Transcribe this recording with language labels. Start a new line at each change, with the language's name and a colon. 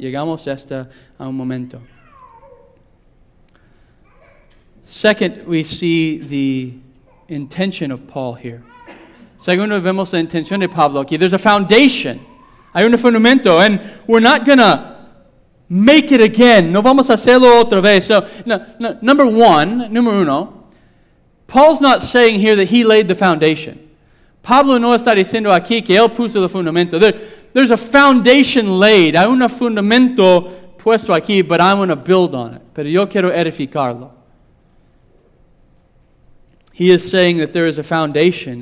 Spanish: Llegamos esta a un momento.
English: Second, we see the intention of Paul here.
Spanish: Segundo, vemos la intención de Pablo aquí.
English: There's a foundation.
Spanish: Hay un fundamento.
English: And we're not going to make it again.
Spanish: No vamos a hacerlo otra vez.
English: So,
Spanish: número uno,
English: Paul's not saying here that he laid the foundation.
Spanish: Pablo no está diciendo aquí que él puso el fundamento.
English: There's a foundation laid.
Spanish: Hay un fundamento puesto aquí,
English: but I'm going to build on it.
Spanish: Pero yo quiero edificarlo.
English: He is saying that there is a foundation.